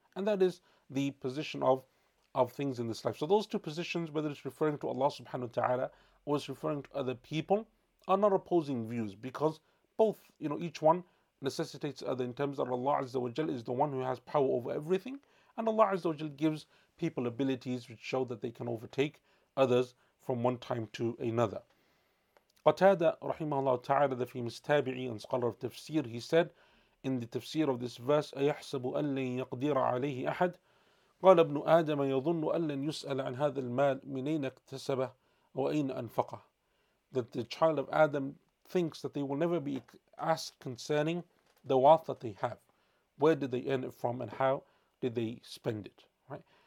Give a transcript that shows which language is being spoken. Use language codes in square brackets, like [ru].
[en] And that is the position of things in this life. So those two positions, whether it's referring to Allah subhanahu wa ta'ala or it's referring to other people, are not opposing views, because both, you know, each one necessitates other in terms that Allah Azza wa Jalla is the one who has power over everything, and Allah Azza wa Jalla gives people abilities which show that they can overtake others from one time to another. Qatada rahimahullah ta'ala, the famous tabi'i and scholar of tafsir, he said in the tafsir of this verse, [ar] أَيَحْسَبُ أَنْ لَنْ يَقْدِرَ عَلَيْهِ أَحَدٌ قَالَ ابْنُ آدَمَ يَظُنُّ أَنْ لَنْ يُسْأَلَ عَنْ هَذَا الْمَالِ مِنَيْنَ اكْتَسَبَهُ وَأَيْنَ أَنْفَقَهُ. [en] That the child of Adam thinks that they will never be asked concerning the wealth that they have. Where did they earn it from and how did they spend it? Right?